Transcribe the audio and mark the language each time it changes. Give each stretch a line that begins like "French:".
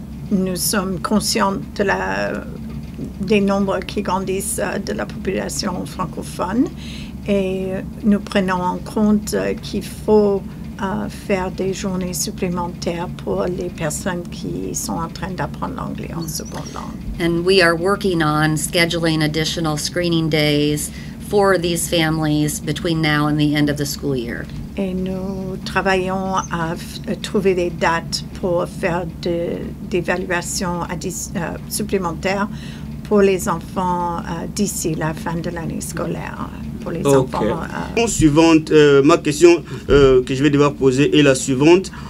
French: Nous sommes conscients de la des nombres qui grandissent de la population francophone, et nous prenons en compte qu'il faut faire des journées supplémentaires pour les personnes qui sont en train d'apprendre l'anglais en seconde langue.
English: And we are working on scheduling additional screening days for these families between now and the end of the school year.
French: Et nous travaillons à trouver des dates pour faire d'évaluations supplémentaires pour les enfants d'ici la fin de l'année scolaire.
English: Okay.
French: Suivante, ma question que je vais devoir poser est la suivante.